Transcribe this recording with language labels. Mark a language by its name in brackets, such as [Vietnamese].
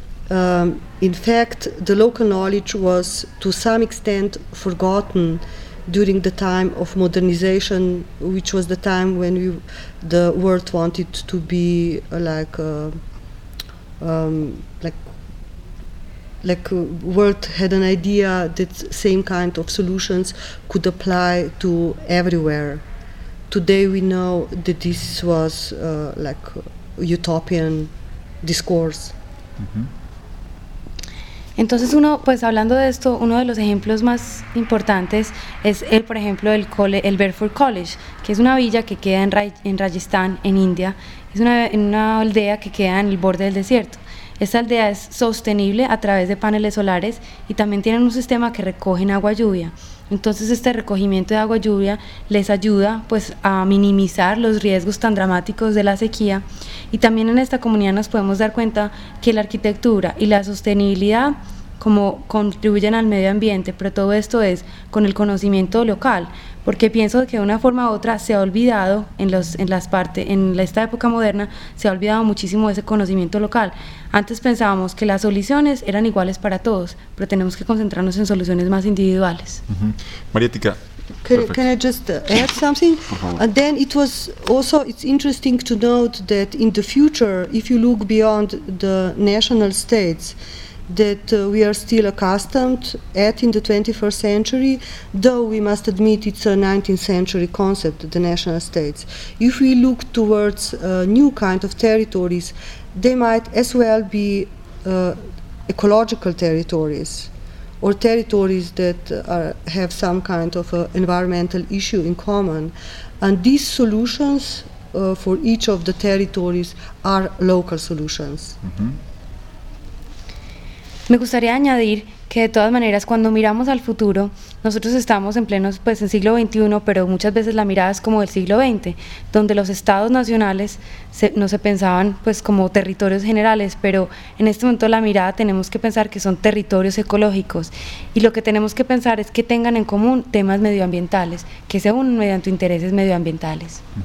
[English] In fact, the local knowledge was to some extent forgotten during the time of modernization, which was the time when the world wanted to be world had an idea that same kind of solutions could apply to everywhere. today we know that this was like utopian discourse. [Spanish] Entonces uno, pues hablando de esto, uno de los ejemplos más importantes es el, por ejemplo, el Bedford College, que es una villa que queda en Rajasthan, en India. Es una aldea que queda en el borde del desierto. Esta aldea es sostenible a través de paneles solares y también tienen un sistema que recoge agua lluvia. Entonces este recogimiento de agua lluvia les ayuda pues a minimizar los riesgos tan dramáticos de la sequía, y también en esta comunidad nos podemos dar cuenta que la arquitectura y la sostenibilidad como contribuyen al medio ambiente, pero todo esto es con el conocimiento local, porque pienso que de una forma u otra se ha olvidado en esta época moderna se ha olvidado muchísimo ese conocimiento local. Antes pensábamos que las soluciones eran iguales para todos, pero tenemos que concentrarnos en soluciones más individuales. Marietica, [English] can I just add something? And then it was also, it's interesting to note that in the future, if you look beyond the national states that we are still accustomed at in the 21st century, though we must admit it's a 19th century concept, the national states. If we look towards new kind of territories, they might as well be ecological territories or territories that have some kind of environmental issue in common. And these solutions for each of the territories are local solutions. [Spanish] Me gustaría añadir que de todas maneras cuando miramos al futuro, nosotros estamos en pleno, pues en siglo XXI, pero muchas veces la mirada es como del siglo XX, donde los estados nacionales no se pensaban pues como territorios generales, pero en este momento la mirada tenemos que pensar que son territorios ecológicos, y lo que tenemos que pensar es que tengan en común temas medioambientales, que se unen mediante intereses medioambientales.